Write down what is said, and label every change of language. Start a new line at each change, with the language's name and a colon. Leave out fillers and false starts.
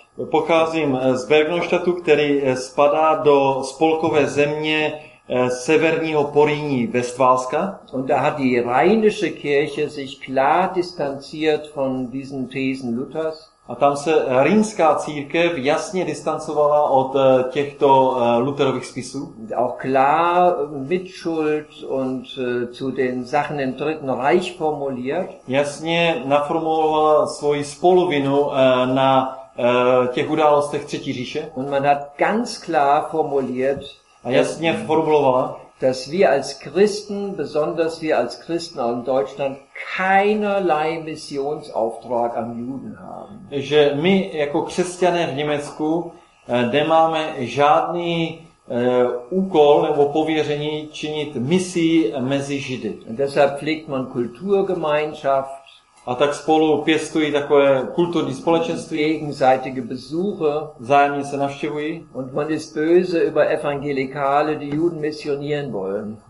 Czech: Pocházím z Bergneustadtu, který spadá do spolkové země severního Porýní Westfálska.
German: Und da hat die rheinische Kirche sich klar distanziert von diesen Thesen Luthers.
Czech: A tam se rýnská církev jasně distancovala od těchto Lutherových spisů.
German: Auch klar Mitschuld und zu den Sachen im Dritten Reich formuliert.
Czech: Jasně naformulovala svoji spoluvinu na těch událostech Třetí říše.
German: Und man hat ganz klar formuliert,
Czech: a jasně formulovala,
German: dass wir als Christen, besonders wir als Christen in Deutschland, keinerlei Missionsauftrag an Juden haben.
Czech: Že my jako křesťané v Německu nemáme žádný úkol nebo pověření činit misi mezi Židy.
German: Und deshalb pflegt man Kulturgemeinschaft.
Czech: A tak spolu pěstují takové kulturní společenství.
German: Gegenseitige Besuche.
Czech: Vzájemně se navštěvují.
German: Und man ist böse über Evangelikale, die Juden missionieren wollen.